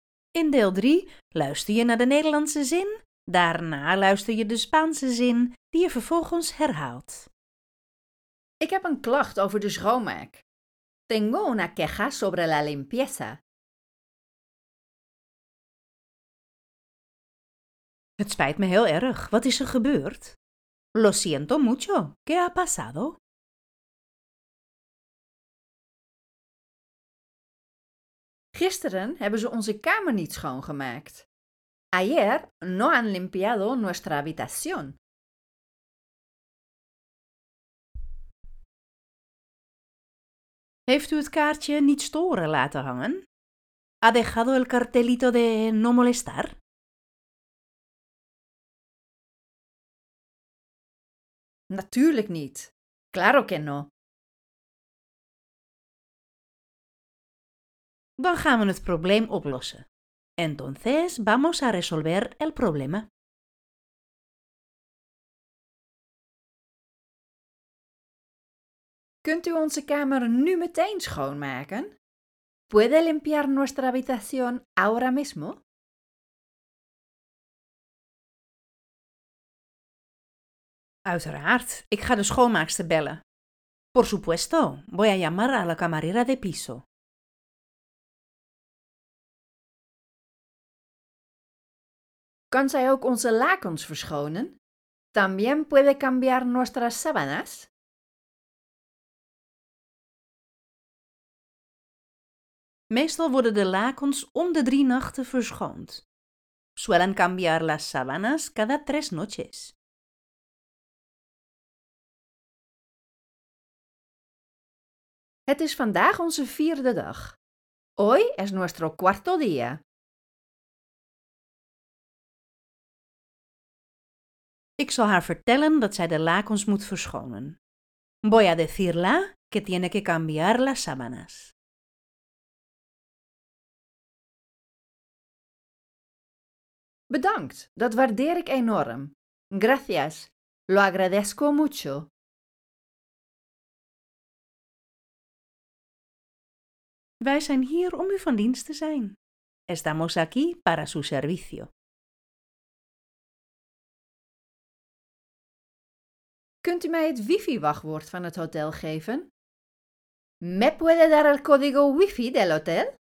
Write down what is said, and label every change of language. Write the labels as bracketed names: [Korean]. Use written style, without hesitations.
[Dutch] In deel 3 luister je naar de Nederlandse zin. Daarna luister je de Spaanse zin die je vervolgens herhaalt. Ik heb een klacht over de schoonmaak. [Spanish] Tengo una queja sobre la limpieza. [Dutch] Het spijt me heel erg. Wat is er gebeurd? [Spanish] Lo siento mucho. ¿Qué ha pasado? [Dutch] Gisteren hebben ze onze kamer niet schoongemaakt. [Spanish] Ayer no han limpiado nuestra habitación. [Dutch] Heeft u het kaartje niet storen laten hangen? [Spanish] Ha dejado el cartelito de no molestar? [Dutch] Natuurlijk niet. [Spanish] Claro que no. [Dutch] Dan gaan we het probleem oplossen. [Spanish] Entonces vamos a resolver el problema. [Dutch] Kunt u onze kamer nu meteen schoonmaken? [Spanish] ¿Puede limpiar nuestra habitación ahora mismo? [Dutch] Uiteraard, ik ga de schoonmaakster bellen. [Spanish] Por supuesto, voy a llamar a la camarera de piso. [Dutch] Kan zij ook onze lakens verschonen? [Spanish] ¿También puede cambiar nuestras sábanas? [Dutch] Meestal worden de lakens om de 3 nachten verschoond. [Spanish] Suelen cambiar las sábanas cada 3 noches. [Dutch] Het is vandaag onze 4e dag. [Spanish] Hoy es nuestro 4º día. [Dutch] Ik zal haar vertellen dat zij de lakens moet verschonen. [Spanish] Voy a decirla que tiene que cambiar las sábanas. [Dutch] Bedankt, dat waardeer ik enorm. [Spanish] Gracias, lo agradezco mucho. [Dutch] Wij zijn hier om u van dienst te zijn. [Spanish] Estamos aquí para su servicio. [Dutch] Kunt u mij het wifi-wachtwoord van het hotel geven? [Spanish] ¿Me puede dar el código wifi del hotel?